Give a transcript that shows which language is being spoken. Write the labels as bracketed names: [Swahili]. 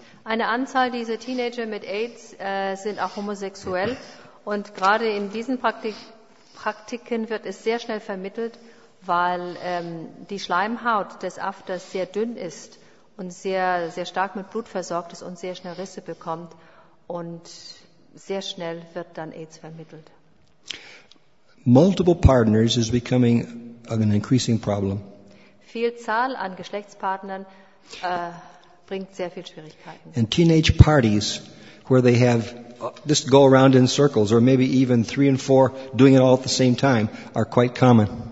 [German] Eine Anzahl dieser Teenager mit AIDS sind auch homosexuell und gerade in diesen Praktiken wird es sehr schnell vermittelt, weil die Schleimhaut des Afters sehr dünn ist und sehr, sehr stark mit Blut versorgt ist und sehr schnell Risse bekommt und sehr schnell wird dann AIDS vermittelt. [English] Multiple partners is becoming an increasing problem. [German] Vielzahl an Geschlechtspartnern bringt sehr viel Schwierigkeiten. [English] And teenage parties where they have just go around in circles or maybe even three and four doing it all at the same time are quite common.